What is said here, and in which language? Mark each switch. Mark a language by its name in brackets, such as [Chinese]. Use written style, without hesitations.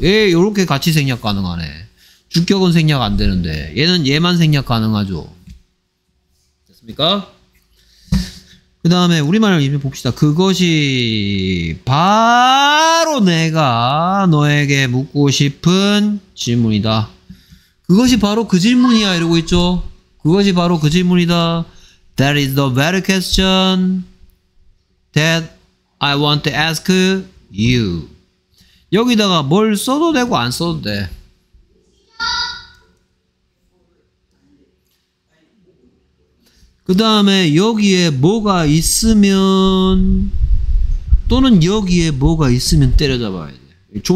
[Korean] 얘 요렇게 같이 생략 가능하네. 주격은 생략 안 되는데 얘는 얘만 생략 가능하죠. 됐습니까? 그 다음에 우리말을 이제 봅시다. 그것이 바로 내가 너에게 묻고 싶은 질문이다. 그것이 바로 그 질문이야 이러고 있죠. 그것이 바로 그 질문이다. [English] That is the very question that I want to ask you. [Korean] 여기다가 뭘 써도 되고 안 써도 돼. 그 다음에 여기에 뭐가 있으면 또는 여기에 뭐가 있으면 때려잡아야 돼.